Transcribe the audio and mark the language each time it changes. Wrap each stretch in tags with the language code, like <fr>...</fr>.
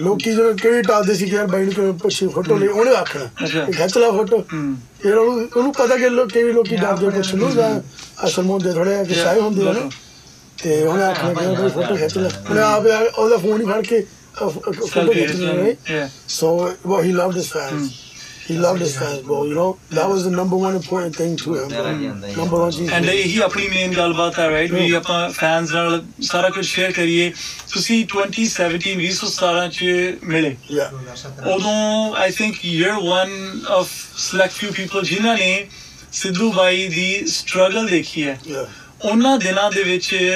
<pa>ਲੋਕੀ ਜਦੋਂ ਕਿਹੜੇ ਟਾਲਦੇ ਸੀ ਕਿ ਯਾਰ ਬਾਈ ਨੂੰ ਕਿਵੇਂ ਪੁੱਛੀ ਫੋਟੋ ਲਈ, ਉਹਨੇ ਆਖਣਾ ਖਿੱਚ ਲਾ ਫੋਟੋ। ਫਿਰ ਉਹਨੂੰ ਪਤਾ ਕਿ ਲੋਕ ਕਈ ਲੋਕੀ ਡਰਦੇ ਪੁੱਛ ਲਓ, ਜਾਂ ਅਸਲ ਮੁੰਡੇ ਥੋੜ੍ਹੇ ਜਿਹੇ ਸ਼ਾਈ ਹੁੰਦੇ ਹਨ, ਅਤੇ ਉਹਨੇ ਆਖਣਾ ਕਿ ਫੋਟੋ ਖਿੱਚ ਲਾ। ਉਹਨੇ ਆਪ ਉਹਦਾ ਫੋਨ ਹੀ ਫੜ ਕੇ ਫੋਟੋ ਖਿੱਚ ਲਈ।</pa> <en>So ਵਾ, he loved his fan, he loved his fans, bro, you know, that was the number one important thing to him. Number one thing.</en> <pa>And ਇਹੀ ਆਪਣੀ ਮੇਨ ਗੱਲ ਬਾਤ ਹੈ, ਰਾਈਟ? ਵੀ ਆਪਾਂ ਫੈਨਸ ਨਾਲ ਸਾਰਾ ਕੁਝ ਸ਼ੇਅਰ ਕਰੀਏ। ਤੁਸੀਂ 2017 2017 ਚ ਮਿਲੇ, ਉਦੋਂ</pa> <en>I think you are one of select few people</en> <pa>ਜਿਨ੍ਹਾਂ ਨੇ ਸਿੱਧੂ ਬਾਈ ਦੀ ਸਟਰਗਲ ਦੇਖੀ ਹੈ ਉਹਨਾਂ ਦਿਨਾਂ ਦੇ ਵਿੱਚ।</pa>